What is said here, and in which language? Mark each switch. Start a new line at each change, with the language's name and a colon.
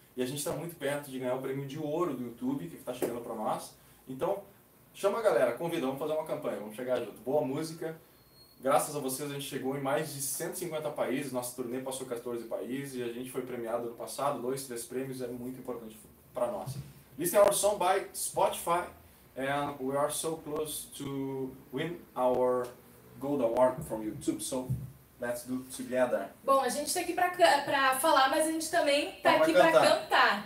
Portuguese: E a gente está muito perto de ganhar o prêmio de ouro do YouTube, que está chegando para nós. Então, chama a galera, convida, vamos fazer uma campanha, vamos chegar junto. Boa música, Graças a vocês, a gente chegou em mais de 150 países, nossa turnê passou 14 países e a gente foi premiado no passado, 2, 3 prêmios, é muito importante para nós.
English: Listen our song by Spotify, and we are so close to win our gold award from YouTube, so let's do it together.
Portuguese: Bom, a gente tá aqui pra falar, mas a gente também tá aqui pra cantar.